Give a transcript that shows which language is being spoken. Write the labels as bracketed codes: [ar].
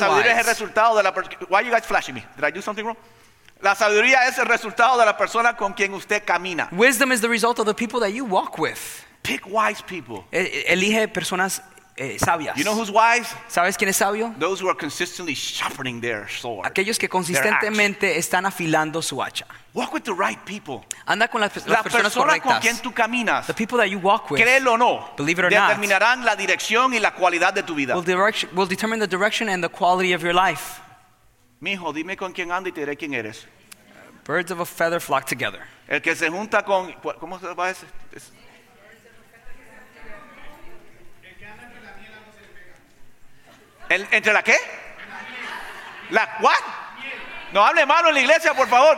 [es] La sabiduría es el resultado de la persona. [en] Why are you guys flashing me? Did I do something wrong? [es] La sabiduría es el resultado de la persona con quien usted camina. [en] Wisdom is the result of the people that you walk with. Pick wise people. [es] Elige personas sabias. [en] You know who's wise? [es] ¿Sabes quién es sabio? [en] Those who are consistently sharpening their sword. [es] Aquellos que consistentemente están afilando su hacha. [en] Walk with the right people. [es] Anda con las personas correctas. La persona con quien tú caminas. [en] The people that you walk with. [es] Créelo o no. [en] Believe it or [es] determinarán [en] not. [es] La dirección y la cualidad de tu vida. [en] Will determine the direction and the quality of your life. [es] Mijo, dime con quién andas y te diré quién eres. [en] Birds of a feather flock together. [es] El que se junta con ¿cómo se va a decir? ¿Entre la qué? ¿La what? No hable malo en la iglesia, por favor.